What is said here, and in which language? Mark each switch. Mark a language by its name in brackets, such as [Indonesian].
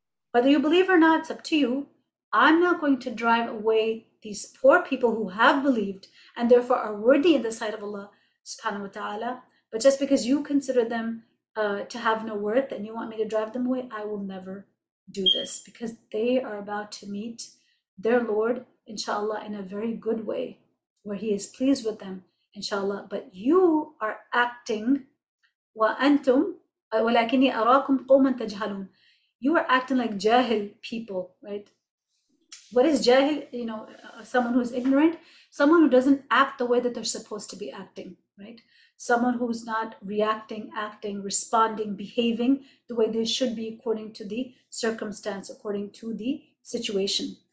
[English] Whether you believe or not, it's up to you. I'm not going to drive away these poor people who have believed and therefore are worthy in the sight of Allah subhanahu wa ta'ala. But just because you consider them to have no worth and you want me to drive them away, I will never do this, because they are about to meet their Lord, inshallah, in a very good way, where he is pleased with them, inshallah. But you are acting, [Arabic] وَأَنْتُمْ وَلَكِنِّي أَرَاكُمْ قَوْمًا تَجْهَلُونَ. [English] You are acting like jahil people, right? What is jahil? You know, someone who is ignorant, someone who doesn't act the way that they're supposed to be acting, right? Someone who's not reacting, acting, responding, behaving the way they should be according to the circumstance, according to the situation.